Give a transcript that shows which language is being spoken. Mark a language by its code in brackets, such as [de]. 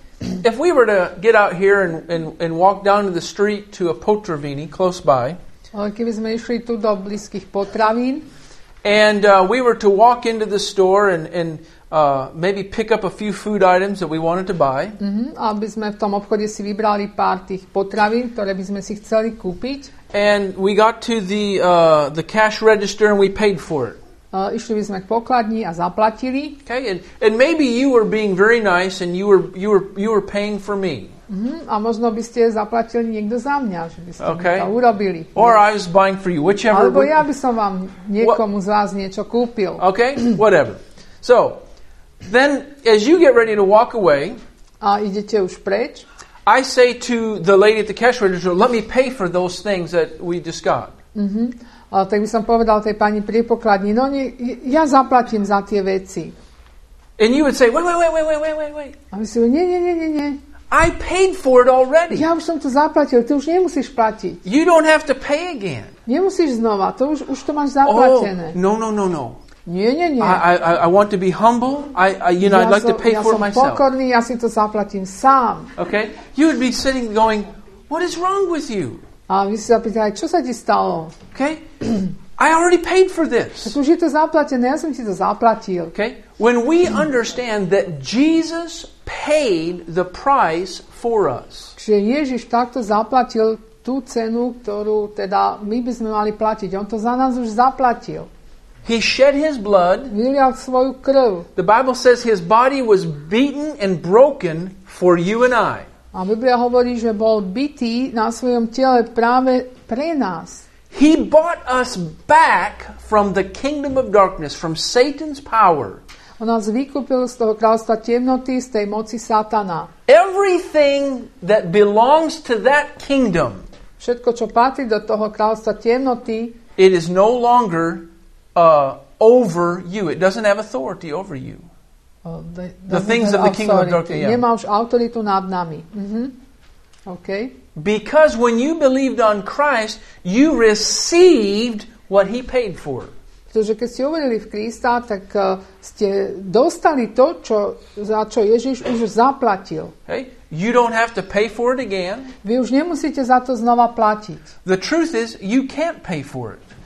[en] If we were to get out here and walk down to the street to a potravini close by. [sk] Keby sme išli tu do blízkych potravín. [en] And we were to walk into the store and Maybe pick up a few food items that we wanted to buy. [sk] Aby sme v tom obchode si vybrali pár tých potravín, ktoré by sme si chceli kúpiť. [en] And we got to the cash register and we paid for it. [sk] Išli by sme k pokladni a zaplatili. [en] Okay, and maybe you were being very nice and you were paying for me. [sk] A možno by ste zaplatili niekto za mňa, že by ste okay. to urobili. [en] Or I was buying for you, whichever. [sk] Alebo ja by som vám niekomu z vás niečo kúpil. [en] Okay, whatever. So, then as you get ready to walk away, [sk] a idete už preč, [en] I say to the lady at the cash register, let me pay for those things that we just got. [sk] A tak by som povedal tej pani pri pokladni, no nie, ja zaplatím za tie veci. [en] And you would say, wait. [sk] A myslím, nie. [en] I paid for it already. [sk] Ja už som to zaplatil, ty už nemusíš platiť. [en] You don't have to pay again. [sk] Nemusíš znova, to už to máš zaplatené. [en] Oh, no. [sk] Nie. [en] I want to be humble. I'd like to pay [sk] ja [en] for it myself. [sk] Ja som pokorný, ja si to zaplatím sám. [en] Okay? You would be sitting going, what is wrong with you? [sk] A vy si zapýtali, čo sa ti stalo? [en] Okay? I already paid for this. [sk] Tak už je to zaplatené, ja som ti to zaplatil. [en] Okay? When we understand that Jesus paid the price for us. [sk] Čiže Ježiš takto zaplatil tú cenu, ktorú teda my by sme mali platiť. On to za nás už zaplatil. [en] He shed his blood. [sk] Vylial svoju krv. [en] The Bible says his body was beaten and broken for you and I. [sk] A Biblia hovorí, že bol bitý na svojom tele práve pre nás. [en] He bought us back from the kingdom of darkness, from Satan's power. [sk] On nás vykúpil z toho kráľstva temnoty, z tej moci Satana. [en] Everything that belongs to that kingdom. [sk] Všetko, čo patrí do toho kráľstva temnoty, [en] it is no longer over you. It doesn't have authority over you. The things of the kingdom of darkness. [sk] Yeah. Nemá už autoritu nad nami. Mm-hmm. Okay. [en] Because when you believed on Christ, you received what he paid for. [sk] Pretože keď ste uverili v Krista, tak ste dostali to, čo, za čo Ježiš už zaplatil. [en] Okay. You don't have to pay for it again. [sk] Vy už nemusíte za to znova platiť. [en] The truth is, you can't pay for it.